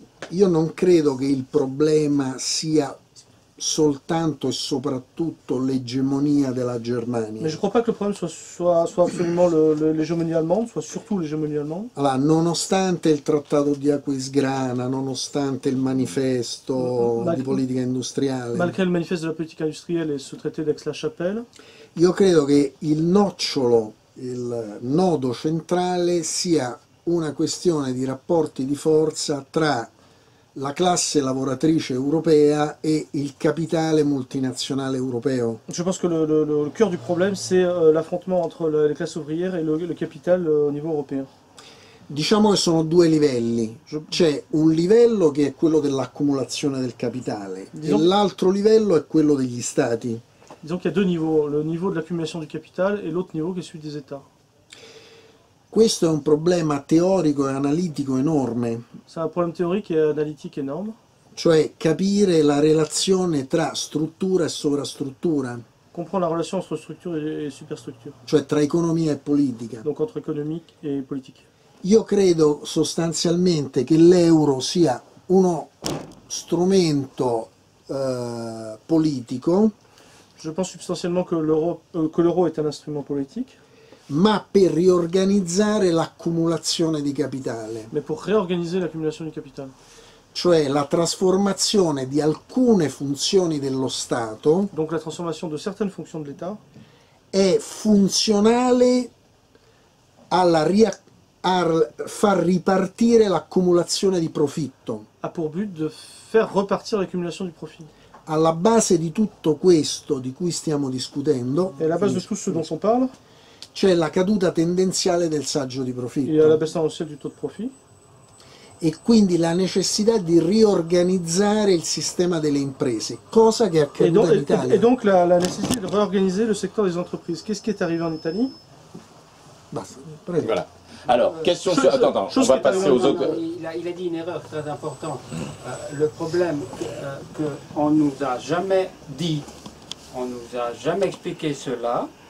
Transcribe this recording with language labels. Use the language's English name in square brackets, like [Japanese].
[Italian] Io non credo che il problema sia soltanto e soprattutto l'egemonia della Germania. [French] Ma je crois pas que le problème soit absolument l'egemonia allemande, soit surtout l'egemonia allemande. [Italian] Allora, nonostante il trattato di Aquisgrana, nonostante il manifesto di politica industriale. [French] Malgré le manifeste de la politique industrielle et ce traité d'Aix-la-Chapelle. [Italian] Io credo che il nodo centrale sia una questione di rapporti di forza tra la classe lavoratrice europea e il capitale multinazionale europeo. [French] Je pense que le cœur du problème c'est l'affrontement entre la classe ouvrière et le capitale au niveau européen. [Italian] Diciamo che sono due livelli. C'è un livello che è quello dell'accumulazione del capitale, e l'altro livello è quello degli stati. [French] Disons qu'il y a deux niveaux, le niveau de l'accumulation du capital et l'autre niveau qui est celui des États. [Italian] Questo è un problema teorico e analitico enorme. [French] C'est un problème théorique et analytique énorme. [Italian] Cioè capire la relazione tra struttura e sovrastruttura. [French] Comprendre la relation entre structure et superstructure. [Italian] Cioè tra economia e politica. [French] Donc entre économique et politique. [Italian] Io credo sostanzialmente che l'euro sia uno strumento politico. [French] Je pense substantiellement que l'euro est un instrument politique. [Italian] Ma per riorganizzare l'accumulazione di capitale. [French] Mais pour réorganiser l'accumulation du capital. [Italian] Cioè la trasformazione di alcune funzioni dello Stato. [French] Donc la transformation de certaines fonctions de l'État. [Italian] È funzionale alla far ripartire l'accumulazione di profitto. [French] A pour but de faire repartir l'accumulation du profit. [Italian] Alla base di tutto questo di cui stiamo discutendo. [French] Et la base de tout ce dont on parle. [Italian] C'è la caduta tendenziale del saggio di profitto. [French] Il y a la baisse tendancielle du taux de profit. [Italian] E quindi la necessità di riorganizzare il sistema delle imprese. Cosa che è accaduta in Italia? E donc la necessità di riorganizzare il settore delle imprese. [French] Qu'est-ce qui est arrivé en Italie? [Italian] Basta, prego. [French] Voilà. Alors, question sur. Attends, on va passer aux autres. Il a dit une erreur très importante. Le problème qu'on nous a jamais dit, on nous a jamais expliqué cela.